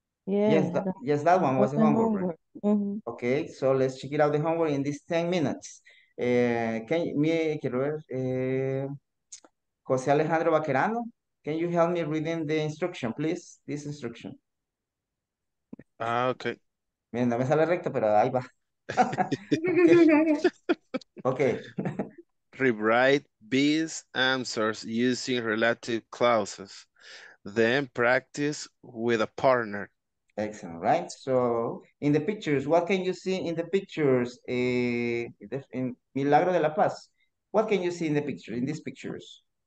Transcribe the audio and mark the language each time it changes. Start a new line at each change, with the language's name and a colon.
English: Yes, that one was the homework. Right? Mm-hmm. Okay, so let's check it out the homework in these 10 minutes. Jose Alejandro Vaquerano, can you help me reading the instruction, please? This instruction. Ah, okay.
Spanish: Mira, no me sale recto, pero ahí va.
English: Okay. Rewrite B's answers using relative clauses, then practice with a partner. Excellent, right? So, in the pictures, what can you see in the pictures? In Milagro de la Paz, what can you see in the picture, in these pictures?